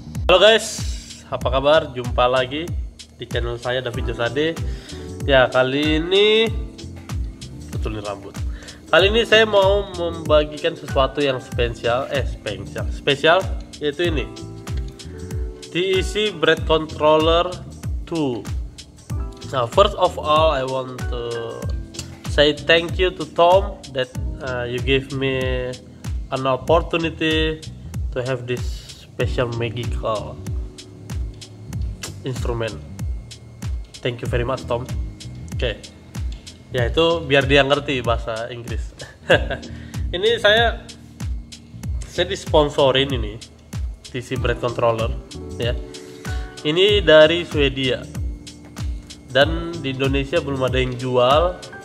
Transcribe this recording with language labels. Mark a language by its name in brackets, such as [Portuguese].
[Indonesian] Halo guys, apa kabar? Jumpa lagi di channel saya David Josade. Ya, kali ini betulin rambut. Kali ini saya mau membagikan sesuatu yang spesial, spesial yaitu ini. TEC Bread Controller 2. [English] Now, first of all, I want to say thank you to Tom that you gave me an opportunity to have this special magical instrument. Thank you very much, Tom. Okay. [Indonesian] Ya, itu biar dia ngerti bahasa Inggris. Ini saya disponsorin ini, TC Bread Controller, ya. Ini dari Swedia. Dan di Indonesia belum ada yang jual.